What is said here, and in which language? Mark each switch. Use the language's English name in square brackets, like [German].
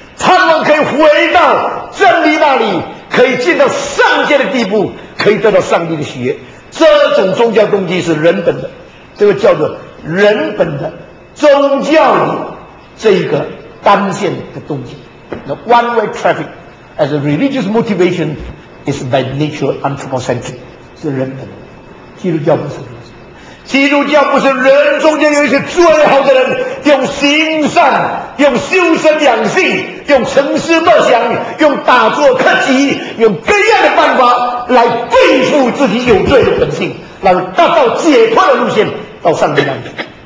[Chinese] 他们可以回到真理那里，可以进到上界的地步，可以得到上帝的喜悦。这种宗教动机是人本的，这个叫做人本的宗教里这一个单线的动机。 [English] The one way traffic as a religious motivation is by nature anthropocentric， [Chinese] 是人本的。基督教不是，基督教不是人中间有一些最好的人，用行善，用修身养性，用诚实默想，用打坐克己，用各样的办法来对付自己有罪的本性，来达到解脱的路线到上帝那里。